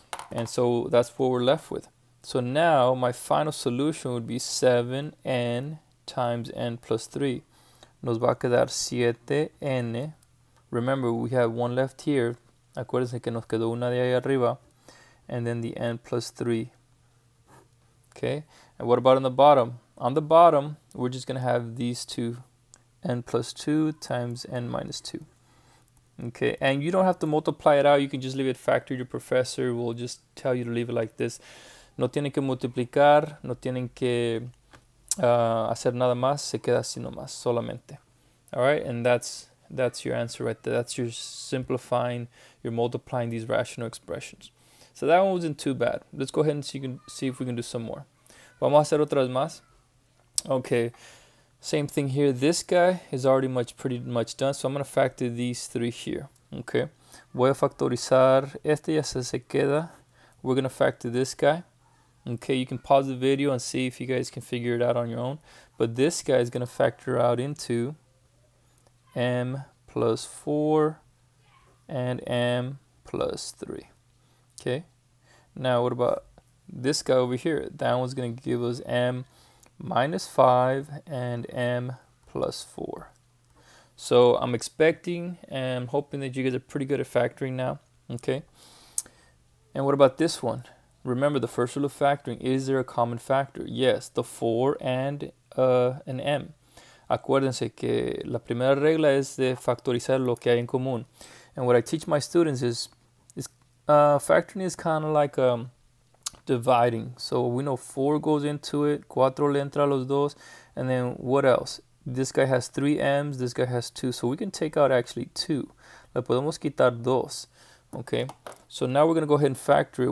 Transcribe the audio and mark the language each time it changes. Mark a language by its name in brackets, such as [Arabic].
[English] And so that's what we're left with. So now my final solution would be 7n times n plus 3. [Spanish] Nos va a quedar 7n. [English] Remember, we have one left here. [Spanish] Acuérdense que nos quedó una de ahí arriba. [English] And then the n plus 3. Okay. And what about on the bottom? On the bottom, we're just going to have these two. N plus 2 times n minus 2. Okay. And you don't have to multiply it out. You can just leave it factored. Your professor will just tell you to leave it like this. [Spanish] No tienen que multiplicar. No tienen que... hacer nada más, se queda así nomás, solamente. [English] Alright, and that's your answer right there. That's your simplifying, you're multiplying these rational expressions. So that one wasn't too bad. Let's go ahead and see if we can do some more. [Spanish] Vamos a hacer otras más. Okay, [English] same thing here. This guy is already pretty much done, so I'm going to factor these three here. [Spanish] Okay, voy a factorizar. Este ya se queda. [English] We're going to factor this guy. Okay, you can pause the video and see if you guys can figure it out on your own. But this guy is going to factor out into m plus 4 and m plus 3. Okay, now what about this guy over here? That one's going to give us m minus 5 and m plus 4. So I'm expecting and hoping that you guys are pretty good at factoring now. Okay, and what about this one? Remember, the first rule of factoring, is there a common factor? Yes, the 4 and an m. [Spanish] Acuérdense que la primera regla es de factorizar lo que hay en común. [English] And what I teach my students is factoring is kind of like dividing. So we know 4 goes into it, [Spanish] 4 le entra a los dos, [English] and then what else? This guy has 3 m's, this guy has 2, so we can take out actually 2. [Spanish] Le podemos quitar 2. [English] Okay, so now we're going to go ahead and factor it.